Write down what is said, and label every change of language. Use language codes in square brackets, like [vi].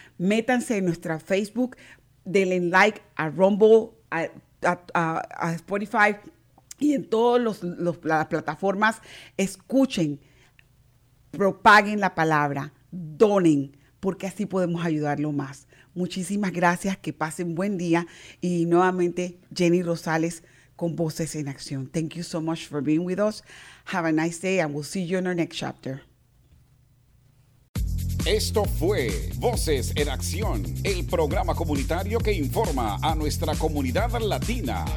[es] Métanse en nuestra Facebook. Denle like a Rumble, a Spotify y en todas las plataformas. Escuchen. Propaguen la palabra, donen, porque así podemos ayudarlo más. Muchísimas gracias, que pasen buen día. Y nuevamente, Jenny Rosales con Voces en Acción. [en] Thank you so much for being with us. Have a nice day and we'll see you in our next chapter. [es] Esto fue Voces en Acción, el programa comunitario que informa a nuestra comunidad latina.